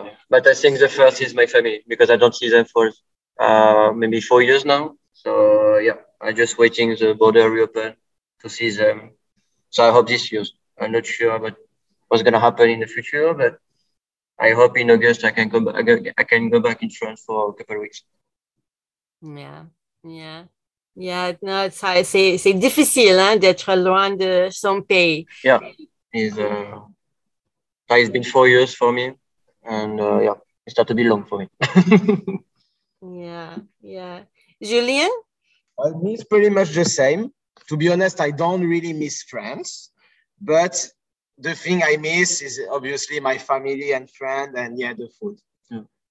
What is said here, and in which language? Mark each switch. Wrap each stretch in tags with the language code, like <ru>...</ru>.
<en>But I think the first is my family because I don't see them for maybe 4 years now. So yeah. I'm just waiting the border reopen to see them. So I hope this year. I'm not sure about what's going to happen in the future, but I hope in August I can come back. I can go back in France for a couple of weeks. Yeah. No, it's hard.</en> <fr>C'est difficile, hein, d'être loin de son pays.</fr> <en>Yeah. It's been 4 years for me. And yeah, it started to be long for me. Yeah. Julien? I miss pretty much the same. To be honest, I don't really miss France, but the thing I miss is obviously my family and friend and yeah, the food. Yeah.</en>